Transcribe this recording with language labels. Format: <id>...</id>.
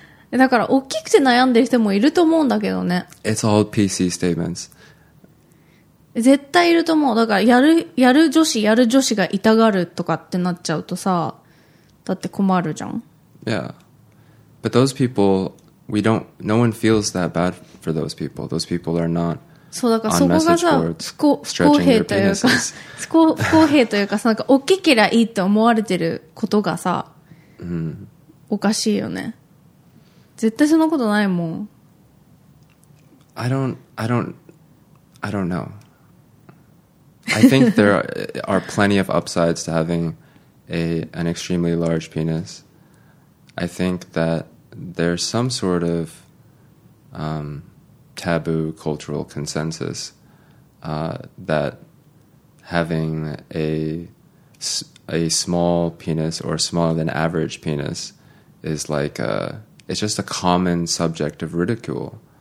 <ja>だから大きくて悩んでる人もいると思うんだけどね。</ja> <en>It's all PC statements.</en> <ja>絶対いると思う。だからやる女子がいたがるとかってなっちゃうとさ、だって困るじゃん。</ja> <en>Yeah. But those people, no one feels that bad for those people. Those people are not on message boards stretching their penises.</en> <ja>不公平というかさ、なんか大きけりゃいいって思われてることがさ、おかしいよね。絶対そんなことないもん。</ja> <en>I don't know. I think there are plenty of upsides to having an extremely large penis. I think that there's some sort of taboo cultural consensus that having a small penis or smaller than average penis is like a It's just a common subject of ridicule.</en>